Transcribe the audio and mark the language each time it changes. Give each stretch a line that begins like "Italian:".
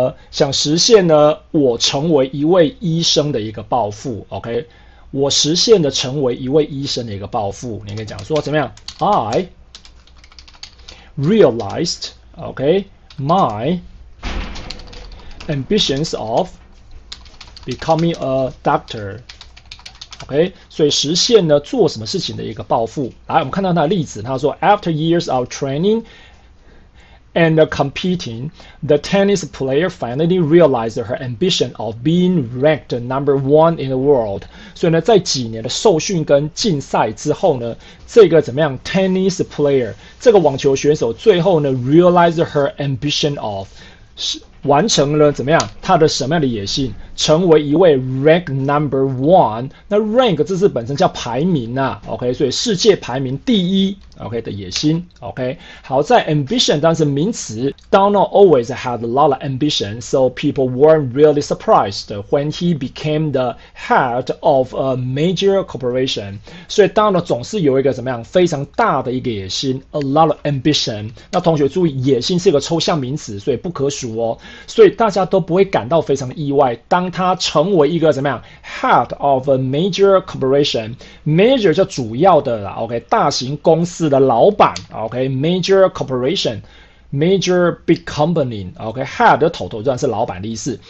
Chinese: 想实现呢，我成为一位医生的一个抱负 ，OK， 我实现的成为一位医生的一个抱负，你可以讲说怎么样 ？
English: I realized， OK， my。 Ambitions of becoming a doctor.
Chinese: OK， 所以实现呢做什么事情的一个抱负。来，我们看到他的例子，他说
English: ：After years of training and competing, the tennis player finally realized her ambition of being ranked number one in the world.
Chinese: 所以呢，在几年的受训跟竞赛之后呢，这个怎么样 ？
English: Tennis player，
Chinese: 这个网球选手最后呢 ，
English: realized her ambition of
Chinese: 完成了怎么样？他的什么样的野心？成为一位
English: rank number one。
Chinese: 那 rank 这是本身叫排名啊 ，OK， 所以世界排名第一 ，OK 的野心 ，OK。好在
English: ambition
Chinese: 当成名词
English: ，Donald always had a lot of ambition， so people weren't really surprised when he became the head of a major corporation。
Chinese: 所以 Donald 总是有一个怎么样非常大的一个野心 ，
English: a lot of ambition。
Chinese: 那同学注意，野心是一个抽象名词，所以不可数哦，所以大家都不会感到非常意外。当他成为一个怎么样 ？
English: Head of a major corporation，
Chinese: major 就主要的啦 ，OK， 大型公司的老板 ，OK， major corporation，
English: major big company，
Chinese: OK， head 的头当然是老板的意思。